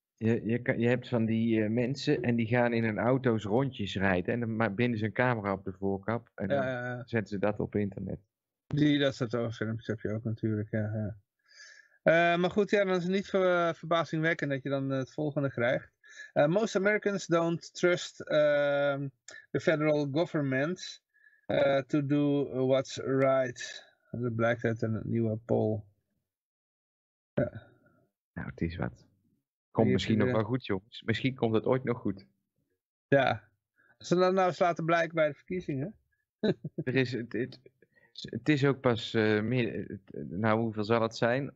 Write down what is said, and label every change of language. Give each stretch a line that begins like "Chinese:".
Dutch: Je hebt van die mensen en die gaan in hun auto's rondjes rijden. En dan binden ze een camera op de voorkap en dan zetten ze dat op internet. Dat soort filmpjes heb je ook natuurlijk, ja. Maar goed, ja, dan is het niet verbazingwekkend dat je dan het volgende krijgt.
English: Most Americans don't trust the federal government to do what's right.
Dutch: Dat blijkt uit een nieuwe poll. Ja. Nou, het is wat. Komt misschien nog wel goed, jongens. Misschien komt het ooit nog goed. Ja. Als ze dat nou eens laten blijken bij de verkiezingen. Het is ook pas hoeveel zal het zijn?